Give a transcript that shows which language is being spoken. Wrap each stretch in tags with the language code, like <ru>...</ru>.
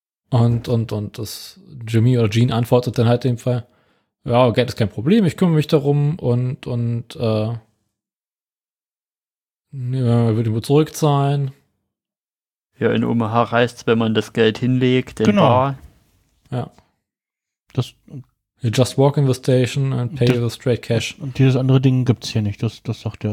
<de>Und das Jimmy oder Jean antwortet dann halt in dem Fall, ja, Geld ist kein Problem, ich kümmere mich darum und würde wohl zurückzahlen. Ja, in Omaha reicht's, wenn man das Geld hinlegt, in genau. Bar. Ja. Das,</de> <en>you just walk in the station and pay the straight cash.</en> <de>Und dieses andere Ding gibt's hier nicht, das sagt er.</de>